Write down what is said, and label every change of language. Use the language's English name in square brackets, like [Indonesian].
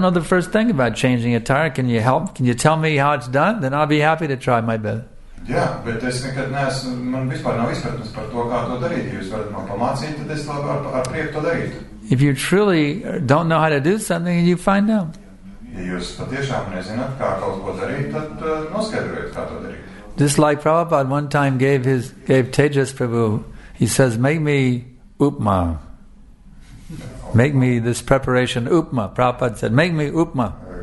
[English] know the first thing about changing a tire. Can you help? Can you tell me how it's done? Then I'll be happy to try my best. [Latvian] Jā, bet es nekad neesmu, man vispār nav izpratnes par to, kā to darīt. Jūs varat man pamācīt, tad es labi ar prieku to darīt. [English] If you truly don't know how to do something, you find out. [Latvian] Ja jūs patiešām nezināt, kā kaut ko darīt, tad noskaidrojiet, kā to darīt. [English] Just like Prabhupada one time gave Tejas Prabhu, he says, make me upma. Make me this preparation upma. Prabhupada said, make me upma.